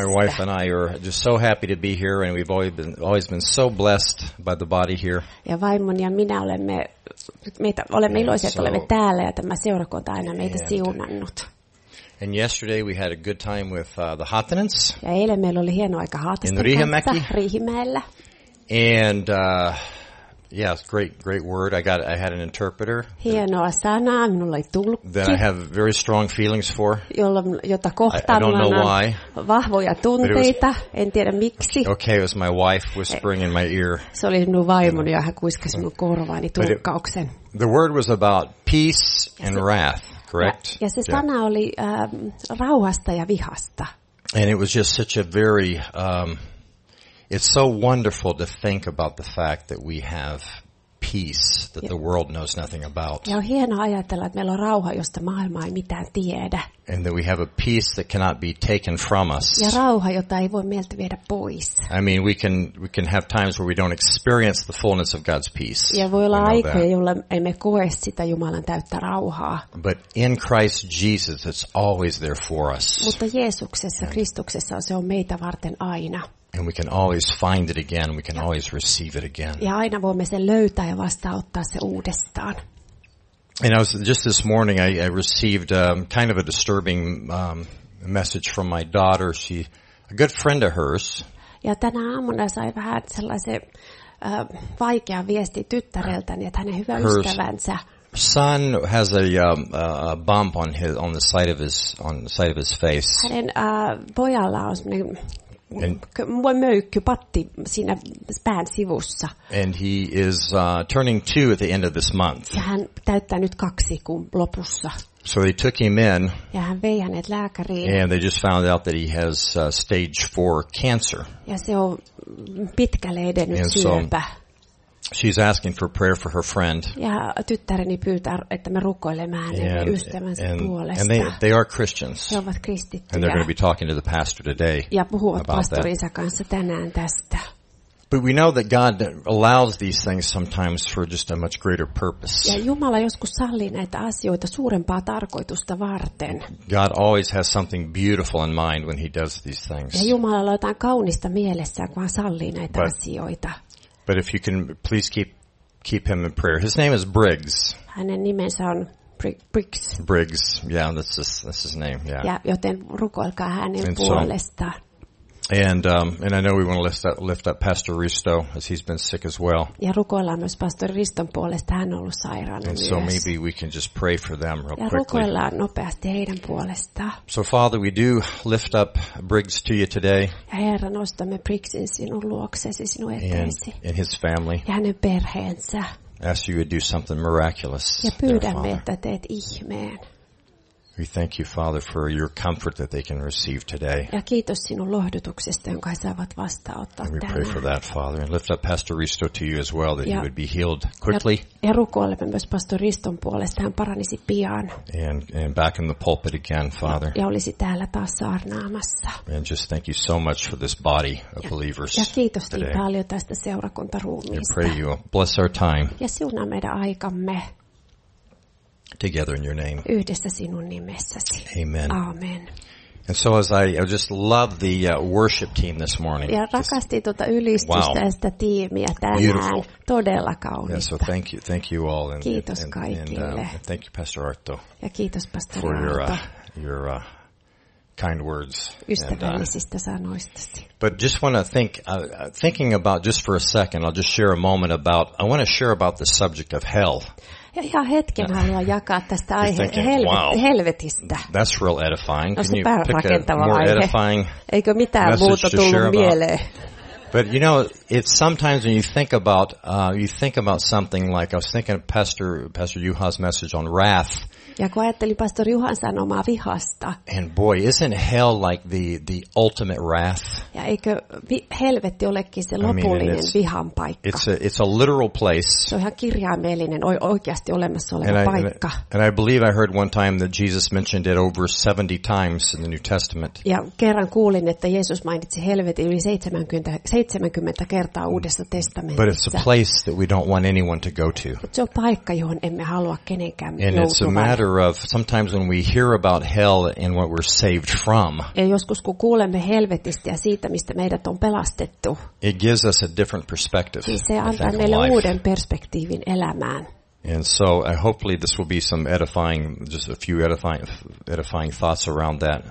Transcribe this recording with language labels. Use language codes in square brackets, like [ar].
[en] My wife and I are just so happy to be here, and we've always been so blessed by the body here. [fi] Ja vaimoni ja minä olemme iloisia, että olemme täällä, ja tämä seurakunta aina meitä siunannut. [en] And yesterday we had a good time with the Hattanens. [fi] Ja eilen meillä oli hieno aika Hattasten kanssa Riihimäellä. [en] And yes, great word. I had an interpreter. [fi] Hienoa sanaa, minulla oli tulkki. [en] That I have very strong feelings for. [fi] Jota kohtaan minulla on vahvoja tunteita. En tiedä miksi. [en] Okay, it was my wife whispering in my ear. [fi] Se oli minun vaimoni, ja hän kuiskasi minun korvaani tulkkauksen. [en] The word was about peace and wrath, correct? [fi] Ja se sana oli rauhasta ja vihasta. [en] And it was just such a very it's so wonderful to think about the fact that we have peace that the world knows nothing about. [fi] Ja on hienoa ajatella, että meillä on rauha, josta maailma ei mitään tiedä. [en] And that we have a peace that cannot be taken from us. [fi] Ja rauha, jota ei voi meiltä viedä pois. [en] I mean, we can have times where we don't experience the fullness of God's peace. [fi] Ja voi olla aikoja, jolloin emme koe sitä Jumalan täyttä rauhaa. [en] But in Christ Jesus, it's always there for us. [fi] Mutta Jeesuksessa, Kristuksessa se on meitä varten aina. [en] And we can always find it again. We can always receive it again. [fi] Ja aina voimme sen löytää ja vastaanottaa se uudestaan. [en] And I was just this morning, I received kind of a disturbing message from my daughter. She, a good friend of hers. [fi] Ja tänä aamuna sai vähän sellaisen vaikean viesti tyttäreltäni, että hänen hyvä ystävänsä. [en] Son has a bump on the side of his face. [fi] Hänen pojalla on semmoinen voi möykky patti siinä pään sivussa. [en] And he is turning 2 at the end of this month. [fi] Ja hän täyttää nyt 2 kuun lopussa. [en] So they took him in. [fi] Ja hän vei hänet lääkäriin. [en] And they just found out that he has stage 4 cancer. [fi] Ja se on pitkälle edennyt syöpä. [en] She's asking for prayer for her friend. [fi] Ja tyttäreni pyytää, että me rukoilemme hänen ystävänsä puolesta. [en] And they are Christians. [fi] He ovat kristittyjä. [en] And they're going to be talking to the pastor today. [fi] Ja puhuvat pastorinsa kanssa tänään tästä. [en] But we know that God allows these things sometimes for just a much greater purpose. [fi] Ja Jumala joskus sallii näitä asioita suurempaa tarkoitusta varten. [en] God always has something beautiful in mind when he does these things. [fi] Ja Jumala on jotain kaunista mielessään, kun hän sallii näitä asioita. [en] But if you can please keep him in prayer. His name is Briggs. [fi] Hänen nimensä on Briggs. [en] Briggs. Yeah, that's his name. Yeah. [fi] Ja joten rukoilkaa hänen puolestaan. [en] And I know we want to lift up Pastor Risto as he's been sick as well. [fi] Ja rukoillaan myös Pastor Riston puolesta, hän on ollut sairaana. [en] And so maybe we can just pray for them real quickly. [fi] Ja rukoillaan nopeasti heidän puolestaan. [en] So Father, we do lift up Briggs to you today. [fi] Ja Herra, nostamme Briggsin sinun luoksesi, sinun eteesi. [en] And his family. [fi] Ja hänen perheensä. [en] Ask you to do something miraculous. [fi] Ja pyydämme, että teet ihmeen. [en] We thank you, Father, for your comfort that they can receive today. [fi] Ja kiitos sinun lohdutuksesta, jonka he saavat vastaanottaa tänään. [en] And we pray for that, Father, and lift up Pastor Risto to you as well, that he would be healed quickly. [fi] Ja rukoilemme myös Pastor Riston puolesta, hän paranisi pian. [en] And back in the pulpit again, Father. [fi] Ja olisi täällä taas saarnaamassa. [en] And just thank you so much for this body of believers today. [fi] Ja kiitos niin paljon tästä seurakuntaruumista. [en] We pray you bless our time. [fi] Ja siunaa meidän aikamme. [en] Together in your name. [fi] Yhdessä sinun nimessäsi. [en] Amen. [fi] Amen. [en] And so as I just love the worship team this morning. [fi] Ja rakastin tuota ylistystä ja sitä tiimiä tänään. [en] Beautiful. [fi] Todella kaunista. [en] Yeah, so thank you all. And, [fi] kiitos kaikille. [en] And thank you, Pastor Arto. [fi] Ja kiitos, Pastor Arto. [en] For your kind words. [fi] Ystävällisistä sanoistasi. [en] But just want to thinking about just for a second, I'll just share a moment about, I want to share about the subject of hell. [fi] Ja ihan hetken haluan jakaa tästä aiheesta helvetistä. [en] That's real edifying. Can you pick a more edifying? [fi] Eikö mitään muuta tullut mieleen? [en] But you know, it's sometimes when you think about something like, I was thinking of Pastor Juha's message on wrath. [fi] Ja kun ajattelin Pastor Juhan sanomaa vihasta. [en] And boy, isn't hell like the ultimate wrath? [fi] Ja eikö helvetti olekin se lopullinen vihan paikka? [en] It's a literal place. [fi] Se on ihan kirjaimellinen, oikeasti olemassa oleva paikka. [en] And I believe I heard one time that Jesus mentioned it over 70 times in the New Testament. [fi] Ja kerran kuulin, että Jeesus mainitsi helvetin yli 70 kertaa. kertaa Uudessa testamentissa. [en] But it's a place that we don't want anyone to go to. [fi] Se on paikka, johon emme halua kenenkään joutuvan. [en] And it's a matter of sometimes when we hear about hell and what we're saved from. [fi] Ja joskus kun kuulemme helvetistä ja siitä, mistä meidät on pelastettu. [en] It gives us a different perspective. [fi] Siis se antaa meille uuden perspektiivin elämään. [en] And so hopefully this will be some edifying, just a few edifying thoughts around that.